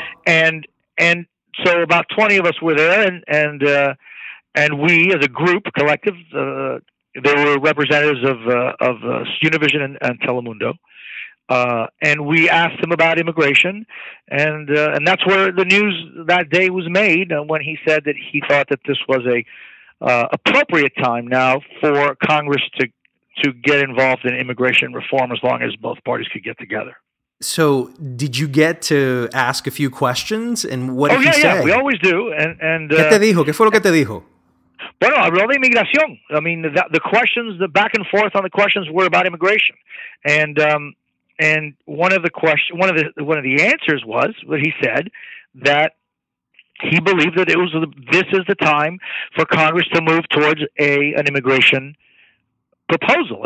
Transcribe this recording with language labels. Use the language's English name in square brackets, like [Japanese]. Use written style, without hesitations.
[English] And so about 20 of us were there, and we as a group, collective, there were representatives of Univision and Telemundo, and we asked him about immigration, and that's where the news that day was made when he said that he thought that this was a appropriate time now for Congress to get involved in immigration reform as long as both parties could get together. So did you get to ask a few questions and what did he say? Oh, yeah, we always do. [Spanish] ¿Qué te dijo? ¿Qué fue lo que te dijo? Bueno, habló de inmigración. [English] I mean, the questions, the back and forth on the questions were about immigration. And one of the answers was what he said, that he believed that this is the time for Congress to move towards an immigration proposal.